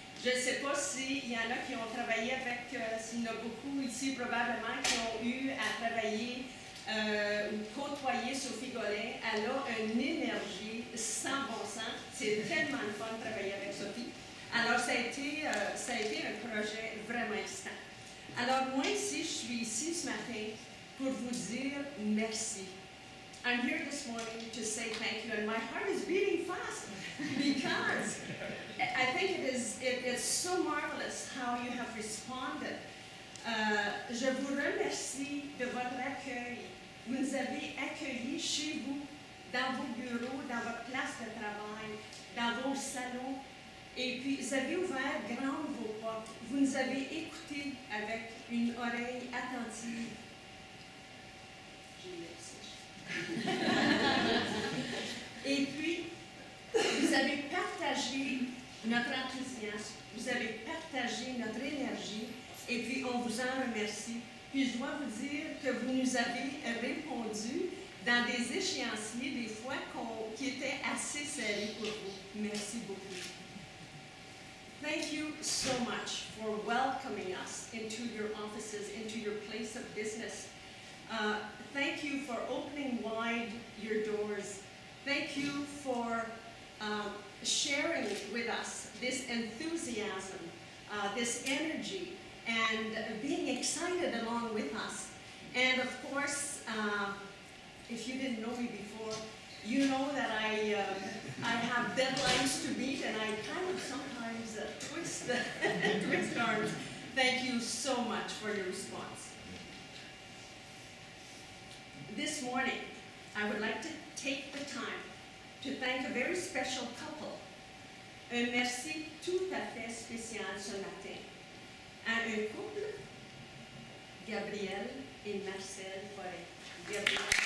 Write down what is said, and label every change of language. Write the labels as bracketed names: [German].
[French] Je ne sais pas s'il y en a qui ont travaillé avec, s'il y en a beaucoup ici probablement qui ont eu à travailler ou côtoyer Sophie Gollet. Elle a une énergie sans bon sens. C'est tellement fun de travailler avec Sophie. Alors, ça a été un projet vraiment excitant. Alors, moi ici, je suis ici ce matin pour vous dire merci. [English] I'm here this morning to say thank you, and my heart is beating fast because I think it is so marvelous how you have responded. [French] Je vous remercie de votre accueil. Vous nous avez accueillis chez vous, dans vos bureaux, dans votre place de travail, dans vos salons, et puis vous avez ouvert grand vos portes. Vous nous avez écoutés avec une oreille attentive. Et puis, vous avez partagé notre enthousiasme, vous avez partagé notre énergie, et puis on vous en remercie. Puis je dois vous dire que vous nous avez répondu dans des échéanciers, des fois, qui étaient assez serrés pour vous. Merci beaucoup. [English] Thank you so much for welcoming us into your offices, into your place of business. Thank you for opening wide your doors. Thank you for sharing with us this enthusiasm, this energy, and being excited along with us. And of course, if you didn't know me before, you know that I have deadlines to meet, and I kind of sometimes twist arms. Thank you so much for your response. This morning, I would like to take the time to thank a very special couple. [French] Un merci tout à fait spécial ce matin. À un couple, Gabriel et Marcel Foret. Gabriel.